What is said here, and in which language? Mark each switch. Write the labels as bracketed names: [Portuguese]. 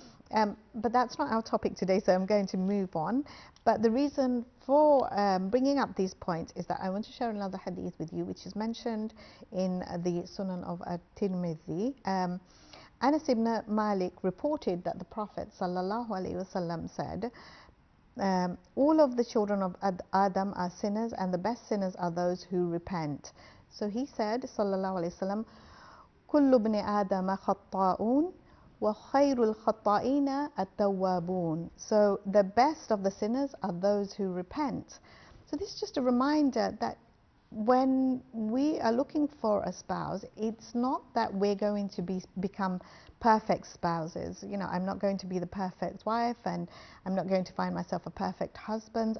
[English] But that's not our topic today, so I'm going to move on. But the reason for bringing up these points is that I want to share another hadith with you, which is mentioned in the Sunan of At-Tirmidhi. Anas ibn Malik reported that the Prophet sallallahu alaihi wasallam said, all of the children of Adam are sinners, and the best sinners are those who repent. So he said, sallallahu alaihi wasallam, [Arabic] كل ابن آدم خطاؤون وخير الخطائين التوابون. [English] So the best of the sinners are those who repent. So this is just a reminder that when we are looking for a spouse, it's not that we're going to become perfect spouses. You know, I'm not going to be the perfect wife and I'm not going to find myself a perfect husband.